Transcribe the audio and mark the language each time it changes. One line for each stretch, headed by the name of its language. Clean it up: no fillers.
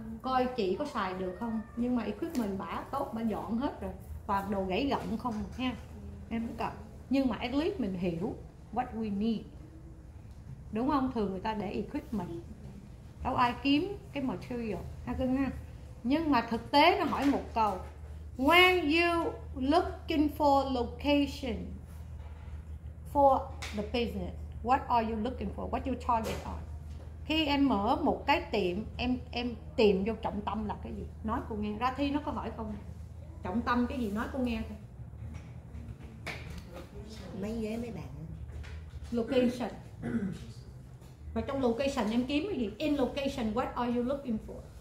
Vietnamese: Coi chị có xài được không. Nhưng mà equipment bả tốt, bả dọn hết rồi. Toàn đồ gãy gọng không ha. Em cũng cần. Nhưng mà
English: at least
Vietnamese: mình hiểu
English: what we need.
Vietnamese: Đúng không? Thường người ta để equipment. Đâu ai kiếm cái material ha cưng ha. Nhưng mà thực tế nó hỏi một câu.
English: When you looking for location for the business, what are you looking for? What you target on?
Vietnamese: Khi em mở một cái tiệm, em tìm vô trọng tâm là cái gì? Nói cô nghe. Ra thi nó có hỏi không? Trọng tâm cái gì? Nói cô nghe thôi. Mấy ghế mấy bạn.
English: Location.
Vietnamese: Và trong location em kiếm cái gì?
English: In location, what are you looking for?